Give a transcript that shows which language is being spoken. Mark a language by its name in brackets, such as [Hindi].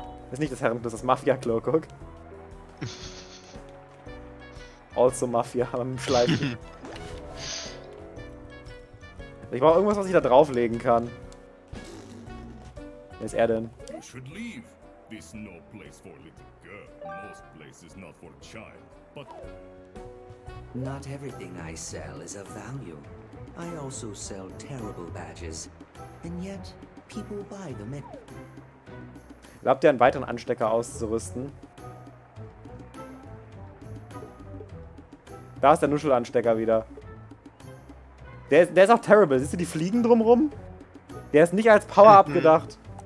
[German] Ist nicht das Herrenklo, das ist das Mafia-Klo, guck. Also Mafia am Schleifen. Ich brauche irgendwas, was ich da drauflegen kann. Wer ist er denn? [English] You should leave. This is no place for a little girl. Most places not for a child. But not everything I sell is of value. I also sell terrible badges. And yet people buy them. [German] Glaubt ihr, einen weiteren Anstecker auszurüsten? Da ist der Nuschelanstecker wieder. Der ist auch [English] terrible. [German] Siehst du die Fliegen drumrum? Der ist nicht als Power-Up gedacht.